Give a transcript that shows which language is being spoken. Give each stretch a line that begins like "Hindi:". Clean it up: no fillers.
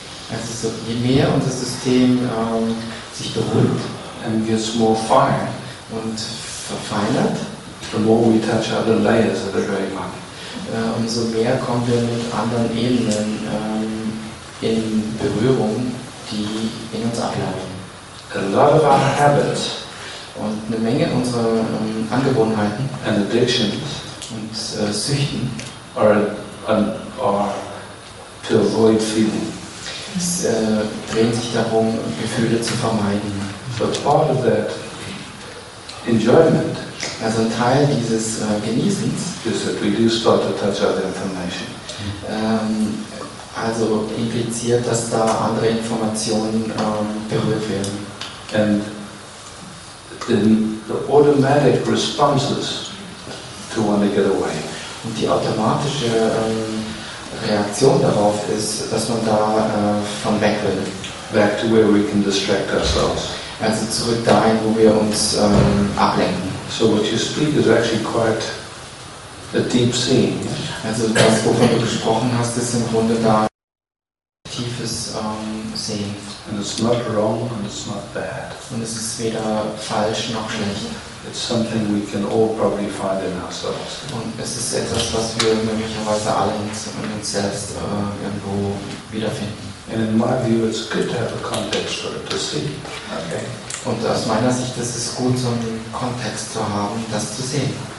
German: also so, je mehr unser System sich beruhigt
English: and gets more fine
German: und verfeinert,
English: the more we touch other layers of the gray mind.
German: Umso mehr kommen wir mit anderen Ebenen in Berührung, die in uns ablaufen.
English: A lot of our habits
German: und eine Menge unserer Angewohnheiten
English: and addictions
German: und Süchten
English: are to avoid feeling.
German: Es dreht sich darum, Gefühle zu vermeiden.
English: But part of that enjoyment,
German: also ein Teil dieses Genießens,
English: is that we do start to touch other information.
German: Also impliziert, dass da andere Informationen berührt werden.
English: And in the automatic responses to want to get away.
German: Und die automatische Reaktion darauf ist, dass man da von weg will.
English: Back to where we can distract ourselves.
German: Also zurück dahin, wo wir uns ablenken.
English: So what you speak is actually quite a deep scene.
German: Also das, wovon du gesprochen hast, ist im Grunde da ein tiefes Sehen.
English: And it's not wrong and it's not bad.
German: Und es ist weder falsch noch schlecht.
English: It's something we can all probably find in ourselves.
German: Und es ist etwas, was wir möglicherweise alle in uns selbst irgendwo wiederfinden.
English: And in my view, it's good to have a context for it to see. Okay.
German: Und aus meiner Sicht ist es gut, so einen Kontext zu haben, das zu sehen.